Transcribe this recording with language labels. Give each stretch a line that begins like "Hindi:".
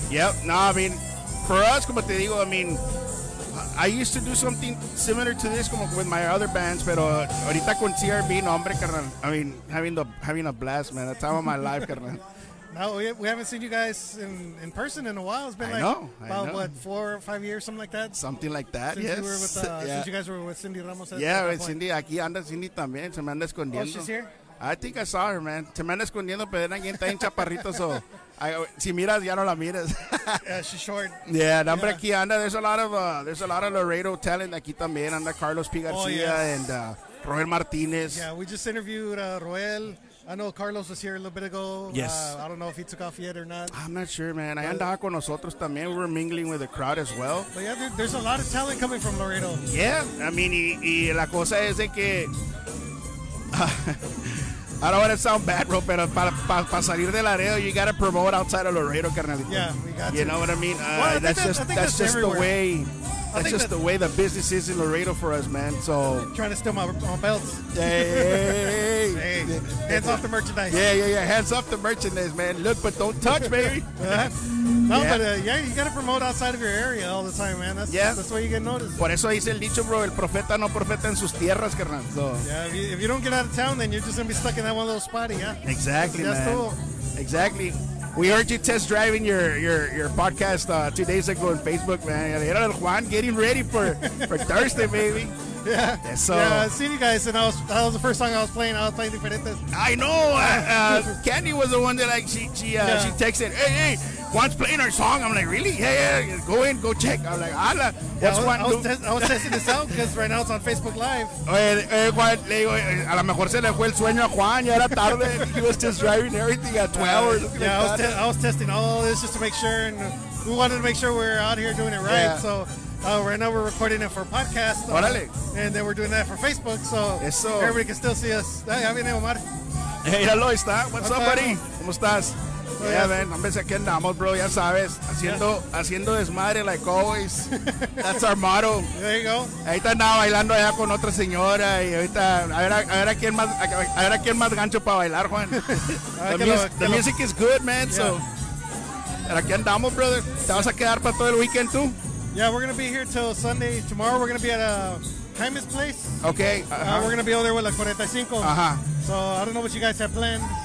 English: Yep. No, I mean, for us,
Spanish: como te digo,
English: I mean, I used to do something similar to this como with my other bands,
Spanish: pero ahorita con CRB, hombre, carnal.
English: I mean, having a blast, man. The time of my life, carnal. No, we haven't seen you guys in person in a while. It's been like about 4 or 5 years, something like that. Something like that, since yes. Since you guys were with Cindy Ramos. Cindy.
Spanish: Aquí anda Cindy también. Se me anda escondiendo.
English: Oh, she's here? I think I saw her, man.
Spanish: Se me anda escondiendo, pero era alguien tan chaparrito, so... Si miras, ya no la mires.
English: Yeah, she's short. Yeah,
Spanish: nombre aquí anda.
English: There's a lot of Laredo talent
Spanish: aquí también. Anda Carlos P. García and Roel Martinez.
English: Yeah, we just interviewed Roel. I know Carlos was here a little bit ago. Yes. I don't know if he took off yet or not. I'm not sure, man.
Spanish: I andaba con nosotros también.
English: We were mingling with the crowd as well. But yeah, there's a lot of talent coming from Laredo. Yeah. I mean,
Spanish: y la cosa es de que...
English: I don't want to sound bad, bro,
Spanish: pero para salir de Laredo,
English: you got to promote outside of Laredo, carnalito. Yeah, we got you to. You know what I mean? Well, I think that's just everywhere. The way... that's just the way the business is in Laredo for us, man. So trying to steal my belts. Hey. Hands off the merchandise. Yeah. Hands off the merchandise, man. Look, but don't touch, baby. You got to promote outside of your area all the time, man. That's why you get noticed.
Spanish: Por eso dice el dicho, bro, el profeta no profeta en sus tierras, carnal.
English: So. Yeah, if you don't get out of town, then you're just going to be stuck in that one little spot, yeah? Exactly, man. Exactly. We heard you test driving your podcast 2 days ago on Facebook, man.
Spanish: Era el Juan
English: getting ready for Thursday, baby. Yeah. So, yeah, I've seen you guys, and that was the first song I was playing. I was playing Diferentes. I know. Candy was the one that, like, she texted, hey, Juan's playing our song. I'm like, really? Yeah. Go in, go check. I'm like, hala. I was testing this out because right now it's on Facebook Live.
Spanish: Juan, le digo, a lo mejor se le fue el sueño a Juan. Ya era tarde.
English: He was just driving everything at 12 or something. Yeah, I was testing all this just to make sure, and we wanted to make sure we were out here doing it right. Yeah. So. Right now we're recording it for a podcast.
Spanish: Órale.
English: And then we're doing that for Facebook, so
Spanish: eso.
English: Everybody can still see us.
Spanish: Ya viene Omar.
English: Hey, hello, está. What's okay. up, buddy?
Spanish: ¿Cómo estás?
English: Oh, yeah, man.
Spanish: Hombre, sé que andamos, bro. Ya sabes. Haciendo desmadre
English: like always. That's our motto. There you go.
Spanish: Ahorita andaba bailando allá con otra señora. Y ahorita, a ver a quién más gancho para bailar, Juan.
English: The music is good, man. Yeah. So,
Spanish: pero aquí andamos,
English: brother.
Spanish: ¿Te vas a quedar para todo el weekend, tú?
English: Yeah, we're going to be here till Sunday. Tomorrow we're going to be at Jaime's place. Okay. Uh-huh. We're going to be over there with La 45. Uh-huh. So I don't know what you guys have planned.